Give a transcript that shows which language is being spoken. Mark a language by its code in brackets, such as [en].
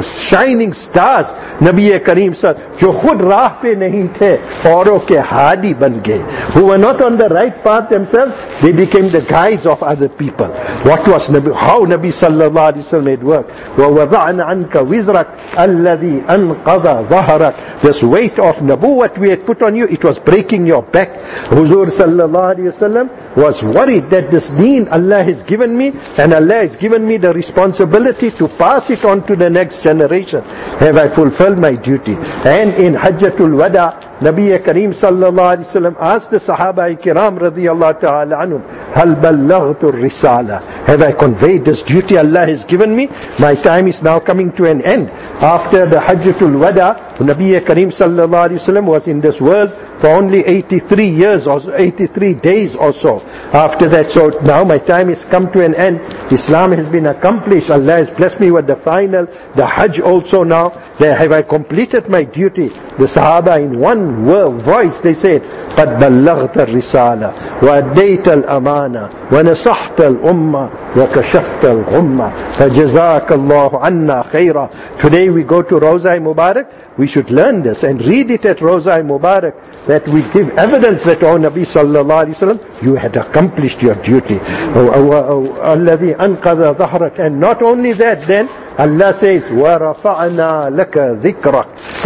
[en] shining stars, [ur] Nabi Kareem sir, جو خود راہ پہ نہیں تھے اوروں کے ہادی بن گئے. [en] Who were not on the right path themselves, they became the guides of other people. What was Nabi, how Nabi sallallahu alayhi wa sallam made work? [ar] وَوَضَعْنَ عَنْكَ وِزْرَكَ الَّذِي أَنْقَضَ ظَهَرَكَ. [en] This weight of nabuwat we had put on you, it was breaking your back. Huzur sallallahu alayhi wa sallam was worried that this deen Allah has given me, and Allah has given me the responsibility to pass it on to the next generation. Have I fulfilled my duty? And in Hajjatul Wada, Nabi Kareem sallallahu alayhi wa sallam asked the Sahaba Ikram radiallahu ta'ala anhum, [ar] Hal ballaghtu risala? [en] Have I conveyed this duty Allah has given me? My time is now coming to an end. After the Hajjatul Wada, Nabi Kareem sallallahu alayhi wa sallam was in this world for only 83 days or so. After that, so now my time has come to an end. Islam has been accomplished. Allah has blessed me with the final, the Hajj also now. There have I completed my duty. The Sahaba in one voice, they said, [ar] قَدْ بَلَّغْتَ الرِّسَالَةِ وَأَدَّيْتَ الْأَمَانَةِ وَنَصَحْتَ الْأُمَّةِ وَكَشَفْتَ الْغُمَّةِ فَجَزَاكَ اللَّهُ عَنَّا خَيْرًا. [en] Today we go to Rawza-i Mubarak. We should learn this and read it at Rawza-i Mubarak, that we give evidence that, oh Nabi sallallahu alayhi wa sallam, you had accomplished your duty. [ar] الَّذِي أَنْقَذَ ظَهْرَكَ. [en] And not only that, then Allah says, [ar] وَرَفَعْنَا لَكَ ذِكْرَكَ.